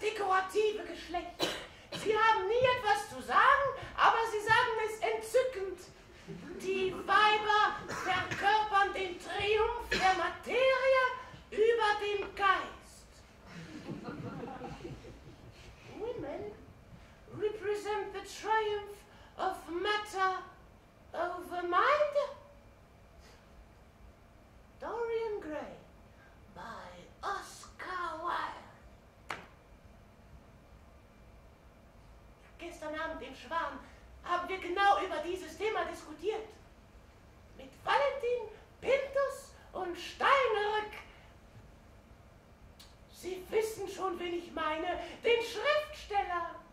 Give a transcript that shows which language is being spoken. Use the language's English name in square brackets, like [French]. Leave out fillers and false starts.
[German] aktive Geschlecht. Sie haben nie etwas zu sagen, aber sie sagen es entzückend. Die Weiber verkörpern den Triumph der Materie über den Geist. [English] Women represent the triumph of matter over mind. Dorian Gray by Oscar Wilde. [German] Gestern Abend im Schwan haben wir genau über dieses Thema diskutiert. Mit Valentin, Pintus und Steinrück. Sie wissen schon, wen ich meine, den Schriftsteller.